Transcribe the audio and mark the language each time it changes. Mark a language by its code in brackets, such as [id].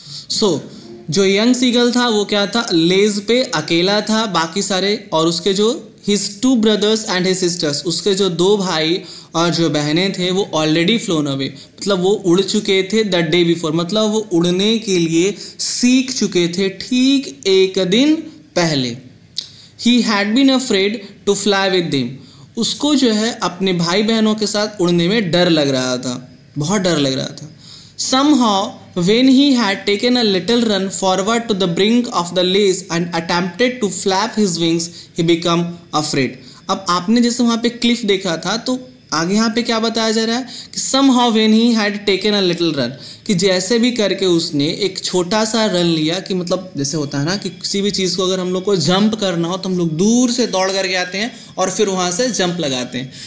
[hi] सो जो young seagull था वो क्या था, लेज पे अकेला था, बाकी सारे और उसके जो [en] his two brothers and his sisters, [hi] उसके जो दो भाई और जो बहनें थे वो [en] already flown away, [hi] मतलब वो उड़ चुके थे [en] the day before, [hi] मतलब वो उड़ने के लिए सीख चुके थे ठीक एक दिन पहले। [en] he had been afraid to fly with them, [hi] उसको जो है अपने भाई बहनों के साथ उड़ने में डर लग रहा था, बहुत डर लग रहा था। [en] Somehow, when he had taken a little run forward to the brink of the lace and attempted to flap his wings, he became afraid. [hi] अब आपने जैसे वहाँ पे क्लिफ देखा था, तो आगे यहाँ पे क्या बताया जा रहा है कि [en] somehow when he had taken a little run, [hi] कि जैसे भी करके उसने एक छोटा सा रन लिया, कि मतलब जैसे होता है ना कि किसी भी चीज़ को अगर हम लोग को जंप करना हो तो हम लोग दूर से दौड़ करके आते हैं और फिर वहाँ से जंप लगाते हैं।